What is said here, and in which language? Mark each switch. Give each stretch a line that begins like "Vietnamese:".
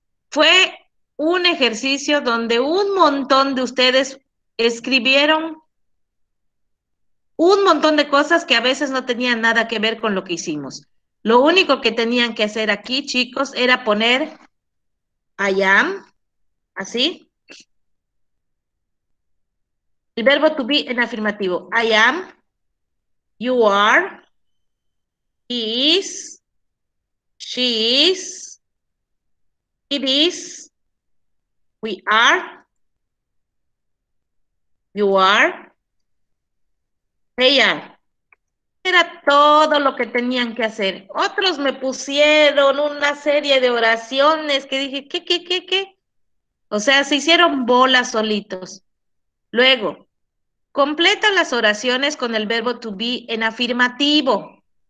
Spanish: Fue un ejercicio donde un montón de ustedes escribieron un montón de cosas que a veces no tenían nada que ver con lo que hicimos. Lo único que tenían que hacer aquí, chicos, era poner
English: I am,
Spanish: así. El verbo to be en afirmativo.
English: I am, you are, he is, she is, it is, we are, you are, they are.
Spanish: Era todo lo que tenían que hacer. Otros me pusieron una serie de oraciones que dije, ¿qué? O sea, se hicieron bolas solitos. Luego, completa las oraciones con el verbo to be en afirmativo.